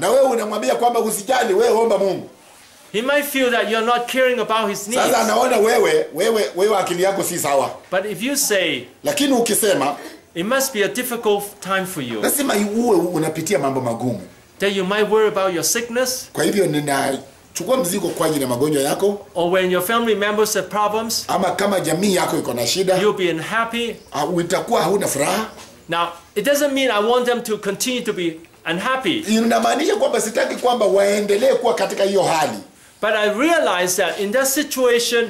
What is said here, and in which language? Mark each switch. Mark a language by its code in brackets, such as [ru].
[sw] na wewe unamwambia kwamba usijali, wewe omba Mungu, [en] he might feel that you're not caring about his needs. [sw] Sasa anaona wewe akili yako si sawa. [en] But if you say, [sw] lakini ukisema, [en] it must be a difficult time for you. [sw] Nasema uwe unapitia mambo magumu. [en] That you might worry about your sickness. [sw] Kwa hivyo ninachukua mzigo kwa ajili ya magonjwa yako. [en] Or when your family members have problems. [sw] Ama kama jamii yako iko na shida. [en] You'll be unhappy. [sw] Utakuwa huna furaha. [en] Now, it doesn't mean I want them to continue to be unhappy. [sw] Inamaanisha kwamba sitaki kwamba waendelee kuwa katika hiyo hali. [en] But I realized that in that situation,